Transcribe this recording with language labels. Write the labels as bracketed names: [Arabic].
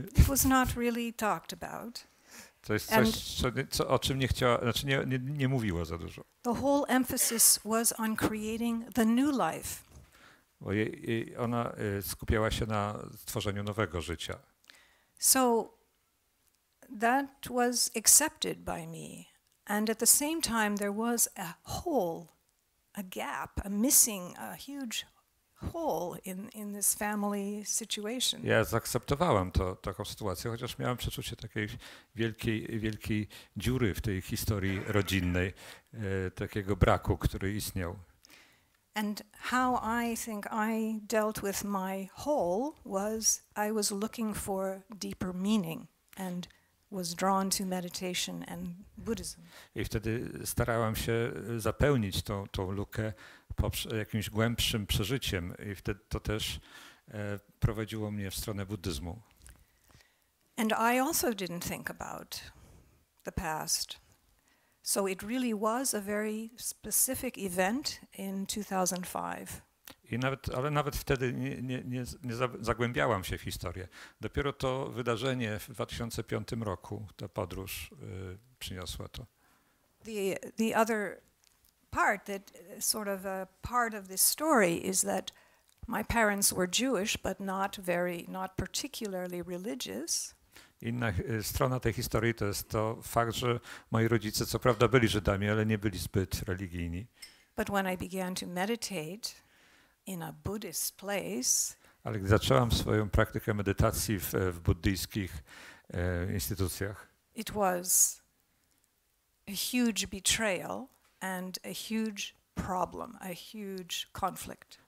[English] It was not really talked about. [Polish] To jest coś, o czym nie chciała, znaczy nie mówiła za dużo. [English] The whole emphasis was on creating the new life. [Polish] Bo ona skupiała się na tworzeniu nowego życia. [English] So that was accepted by me. And at the same time there was a hole, a gap, a missing, a huge whole in this family situation. [Polish] Ja zaakceptowałem to, taką sytuację, chociaż miałem przeczucie takiej wielkiej dziury w tej historii rodzinnej, takiego braku, który istniał. [English] And how I think I dealt with my hole was I was looking for deeper meaning and was drawn to meditation and Buddhism. [Polish] I wtedy starałem się zapełnić tą lukę jakimś głębszym przeżyciem i wtedy to też prowadziło mnie w stronę buddyzmu. [English] And I also didn't think about the past. So it really was a very specific event in 2005. [Polish] Ale nawet wtedy nie zagłębiałam się w historię. Dopiero to wydarzenie w 2005 roku, ta podróż przyniosła to. [English] The other part that sort of a part of this story is that my parents were Jewish but not particularly religious. [Polish] Inna strona tej historii to jest to fakt, że moi rodzice co prawda byli Żydami, ale nie byli zbyt religijni. [English] But when I began to meditate in a Buddhist place, [Polish] ale gdy zaczęłam swoją praktykę medytacji w buddyjskich instytucjach, [English] it was a huge betrayal and a huge problem, a huge conflict.